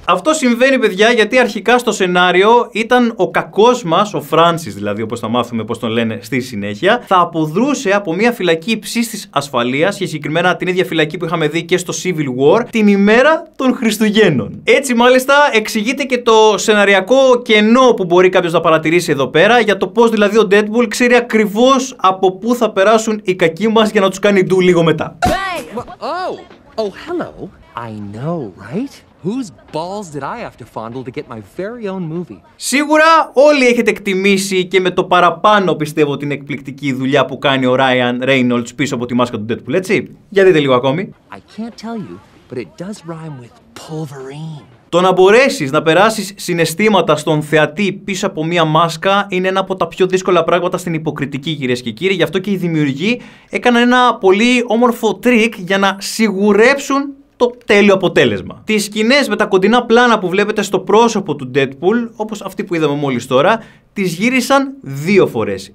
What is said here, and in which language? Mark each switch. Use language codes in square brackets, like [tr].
[el] Αυτό συμβαίνει, παιδιά, γιατί αρχικά στο σενάριο ήταν ο κακός μας, ο Francis, δηλαδή, όπως θα μάθουμε πώς τον λένε στη συνέχεια, θα αποδρούσε από μια φυλακή υψίστης ασφαλείας και συγκεκριμένα την ίδια φυλακή που είχαμε δει και στο Civil War την ημέρα των Χριστουγέννων. Έτσι, μάλιστα, εξηγείται και το σεναριακό κενό που μπορεί κάποιος να παρατηρήσει εδώ πέρα για το πώς δηλαδή ο Deadpool ξέρει ακριβώς από πού θα περάσουν οι κακοί μας για να τους κάνει ντου λίγο μετά. [en] Oh, hello. I know, right? Whose balls did I have to fondle to get my very own movie? [el] Σίγουρα όλοι έχετε εκτιμήσει και με το παραπάνω πιστεύω την εκπληκτική δουλειά που κάνει ο Ryan Reynolds πίσω από τη μάσκα του Deadpool, έτσι. Για δείτε λίγο ακόμη. [en] I can't tell you, but it does rhyme with Pulverine. [el] Το να μπορέσεις να περάσεις συναισθήματα στον θεατή πίσω από μία μάσκα είναι ένα από τα πιο δύσκολα πράγματα στην υποκριτική, κυρίες και κύριοι. Γι' αυτό και οι δημιουργοί έκαναν ένα πολύ όμορφο τρίκ για να σιγουρέψουν το τέλειο αποτέλεσμα. Τις σκηνές με τα κοντινά πλάνα που βλέπετε στο πρόσωπο του Deadpool, όπως αυτή που είδαμε μόλις τώρα, τις γύρισαν δύο φορές.